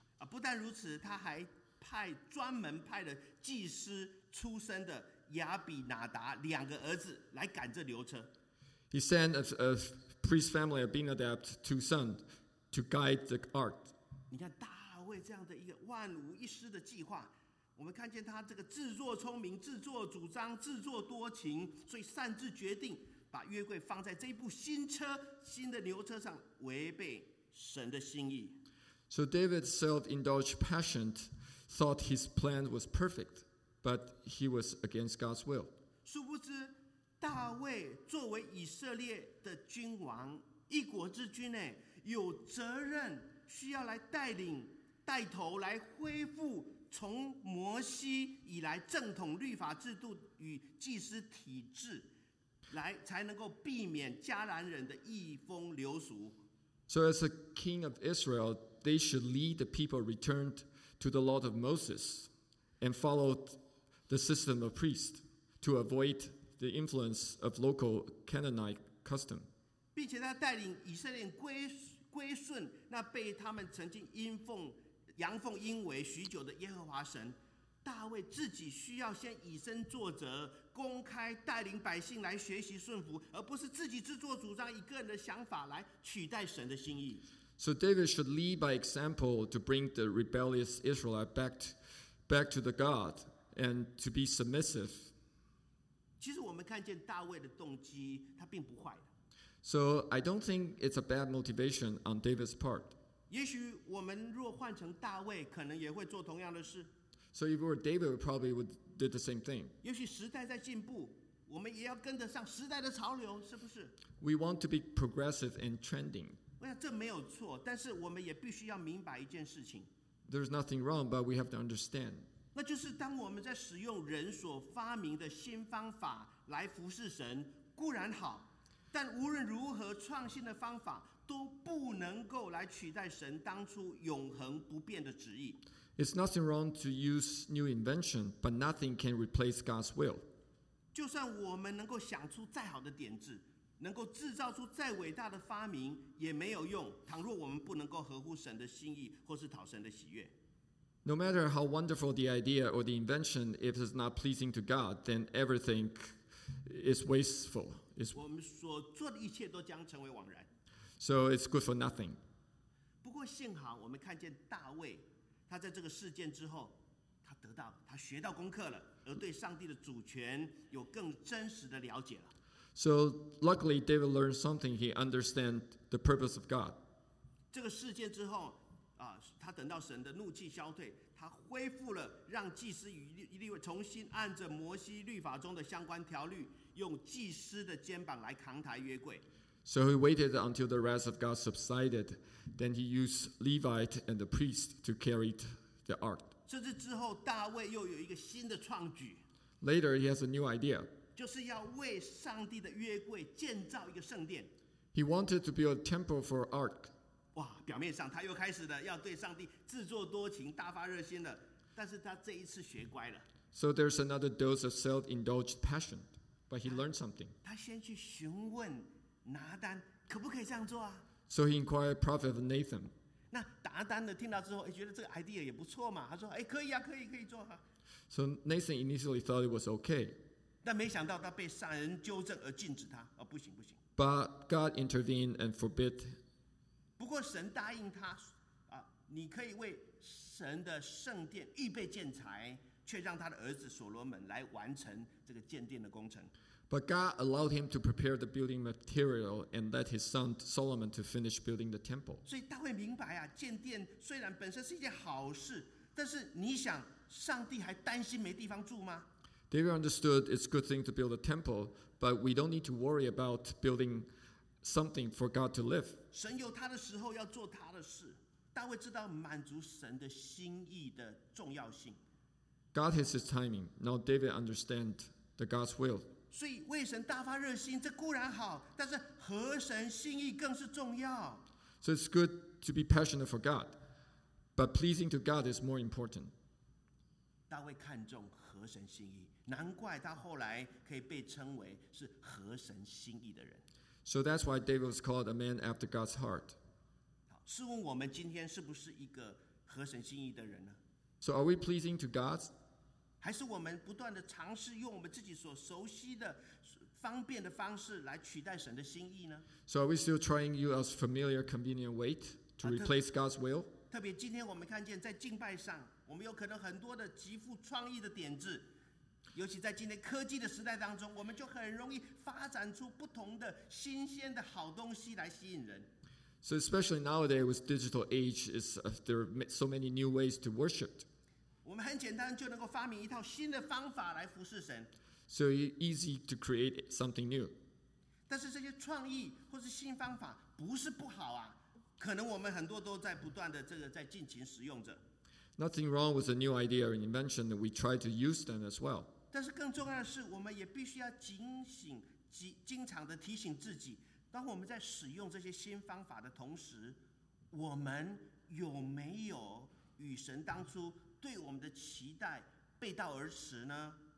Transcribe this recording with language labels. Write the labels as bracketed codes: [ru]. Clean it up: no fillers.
[zh] 不但如此，他还专门派了祭司出身的亚比拿达两个儿子来赶这牛车。 [en] He sent a priest family of Abinadab two sons to guide the ark. [zh] 你看大卫这样的一个万无一失的计划。我们看见他这个自作聪明、自作主张、自作多情，所以擅自决定把约柜放在这部新车、新的牛车上，违背神的心意。 [en] So David's self-indulged passion thought his plan was perfect, but he was against God's will. [zh] 殊不知，大卫作为以色列的君王、一国之君，有责任需要来带头来恢复。从摩西以来正统律法制度与祭司体制来才能够避免迦南人的异风流俗。 [en] So as a king of Israel, they should lead the people returned to the law of Moses and follow the system of priests to avoid the influence of local Canaanite custom. [zh] 并且他带领以色列归顺那被他们曾经阳奉阴违许久的耶和华神，大卫自己需要先以身作则，公开带领百姓来学习顺服，而不是自己自作主张，以个人的想法来取代神的心意。 [en] So David should lead by example to bring the rebellious Israelite back to the God and to be submissive. [zh] 其实我们看见大卫的动机，他并不坏。 [en] So I don't think it's a bad motivation on David's part. [zh] 也许我们若换成大卫，可能也会做同样的事。 [en] So if we were David, we probably would do the same thing. [zh] 也许时代在进步，我们也要跟得上时代的潮流，是不是？ [en] We want to be progressive and trending. [zh] 我想这没有错，但是我们也必须要明白一件事情。 [en] There's nothing wrong, but we have to understand. [zh] 那就是当我们在使用人所发明的新方法来服侍神，固然好。但无论如何，创新的方法都不能够来取代神当初永恒不变的旨意。 [en] It's nothing wrong to use new invention, but nothing can replace God's will. [zh] 就算我们能够想出再好的点子，能够制造出再伟大的发明，也没有用。倘若我们不能够合乎神的心意，或是讨神的喜悦。 [en] No matter how wonderful the idea or the invention, if it's not pleasing to God, then everything is wasteful. [zh] 我们所做的一切都将成为枉然。 [en] So it's good for nothing. [zh] 不过幸好我们看见大卫，他在这个事件之后，他得到，他学到功课了，而对上帝的主权有更真实的了解了。 [en] So luckily David learned something. He understands the purpose of God. [zh] 这个事件之后，他等到神的怒气消退，他恢复了让祭司与利未重新按着摩西律法中的相关条例。用祭司的肩膀来扛抬约柜。 [en] So he waited until the wrath of God subsided, then he used Levite and the priest to carry the ark. [zh] 甚至之后，大卫又有一个新的创举。 [en] Later, he has a new idea. [zh] 就是要为上帝的约柜建造一个圣殿。 [en] He wanted to build a temple for ark. [zh] 哇，表面上他又开始了要对上帝自作多情、大发热心了，但是他这一次学乖了。 [en] So there's another dose of self-indulged passion. But he learned something. [zh] 他先去询问拿单可不可以这样做啊。 [en] So he inquired prophet Nathan. [zh] 那拿单的听到之后，觉得这个 idea 也不错嘛。他说，可以啊，可以，可以做啊。 [en] So Nathan initially thought it was okay. [zh] 但没想到他被上人纠正而禁止他，不行不行。 [en] But God intervened and forbid. [zh] 不过神答应他，你可以为神的圣殿预备建材。却让他的儿子所罗门来完成这个建殿的工程。 [en] But God allowed him to prepare the building material and let his son Solomon to finish building the temple. [zh] 所以大卫明白啊，建殿虽然本身是一件好事，但是你想，上帝还担心没地方住吗 [en] ？David understood it's a good thing to build a temple, but we don't need to worry about building something for God to live. [zh] 神有他的时候要做他的事。大卫知道满足神的心意的重要性。 [en] God has his timing. Now David understands the God's will. [zh] 所以为神大发热心，这固然好，但是合神心意更是重要。 [en] So it's good to be passionate for God, but pleasing to God is more important. [zh] 大卫看重合神心意，难怪他后来可以被称为是合神心意的人。 [en] So that's why David was called a man after God's heart. [zh] 好，试问我们今天是不是一个合神心意的人呢？ [en] So are we pleasing to God? [zh] 还是我们不断的尝试用我们自己所熟悉的方便的方式来取代神的心意呢？ [en] So are we still trying to use familiar, convenient way to replace God's will? [zh] 特别今天我们看见在敬拜上，我们有可能很多的极富创意的点子，尤其在今天科技的时代当中，我们就很容易发展出不同的新鲜的好东西来吸引人。 [en] So especially nowadays with digital age, there are so many new ways to worship. [zh] 我们很简单就能够发明一套新的方法来服侍神。 [en] So easy to create something new. [zh] 但是这些创意或是新方法不是不好啊，可能我们很多都在不断的这个在尽情使用着。 [en] Nothing wrong with a new idea or invention. We try to use them as well. [zh] 但是更重要的是，我们也必须要警醒，经常的提醒自己。当我们在使用这些新方法的同时，我们有没有与神当初对我们的期待背道而驰呢